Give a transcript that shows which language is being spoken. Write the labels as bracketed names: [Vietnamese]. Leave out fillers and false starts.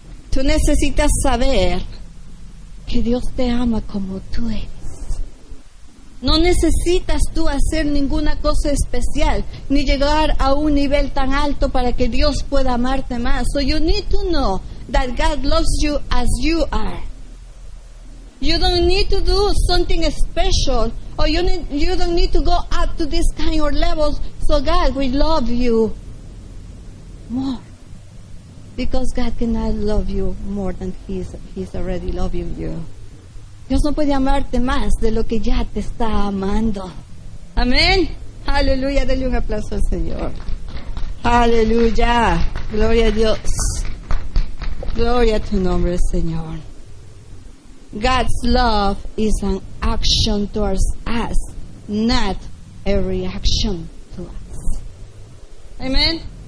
[Spanish] Tú necesitas saber que Dios te ama como tú eres. No necesitas tú hacer ninguna cosa especial, ni llegar a un nivel tan alto para que Dios pueda amarte más. [English] So you need to know that God loves you as you are. You don't need to do something special, or you don't need to go up to this kind of levels so God will love you more. Because God cannot love you more than He's already loving you. [Spanish] Dios no puede amarte más de lo que ya te está amando. Amén. Aleluya. Dale un aplauso al Señor. Aleluya. Gloria a Dios. Gloria a tu nombre, Señor. [English] God's love is an action towards us, not a reaction to us. Amén.